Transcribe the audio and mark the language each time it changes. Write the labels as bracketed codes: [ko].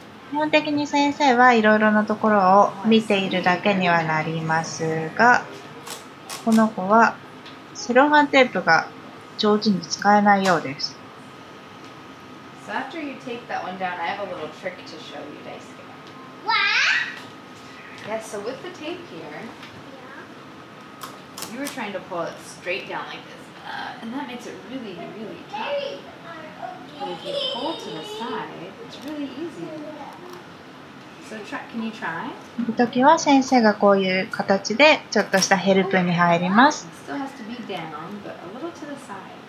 [ja] 基本的に先生はいろいろなところを見ているだけにはなりますが、この子はセロハンテープが上手に使えないようです。 [en] So after you take that one down, I have a little trick to show you, Daisuke. What? Yes, so with the tape here, you were trying to pull it straight down like this, and that makes it really, really tough. But if you pull to the side, it's really easy. So try, can you try? [ja] 時は先生がこういう形でちょっとしたヘルプに入ります。 [en] It still has to be down, but a little to the side.